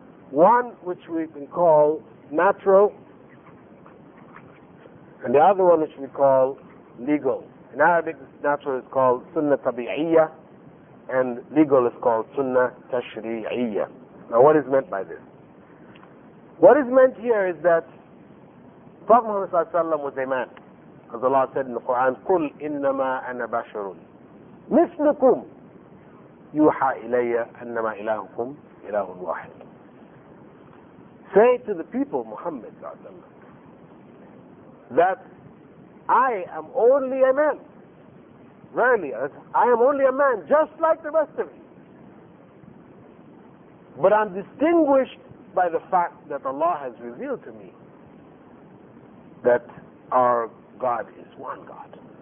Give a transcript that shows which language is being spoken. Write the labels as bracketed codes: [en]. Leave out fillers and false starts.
[en] One which we can call natural, and the other one which we call legal. In Arabic, natural is called sunnah tabi'iyya, and legal is called sunnah tashri'iyya. Now what is meant by this? What is meant here is that Prophet Muhammad sallallahu alayhi wa sallam was a man. As Allah said in the Quran, [ar] قُلْ إِنَّمَا أَنَا بَشَرٌ مِثْلُكُمْ يُوحَى إِلَيَّ أَنَّمَا إِلَهُكُمْ إِلَهٌ وَاحِدٌ. [en] Say to the people, Muhammad sallallahu alayhi wa sallam, that I am only a man. Verily, I am only a man, just like the rest of you. But I'm distinguished by the fact that Allah has revealed to me that our God is one God.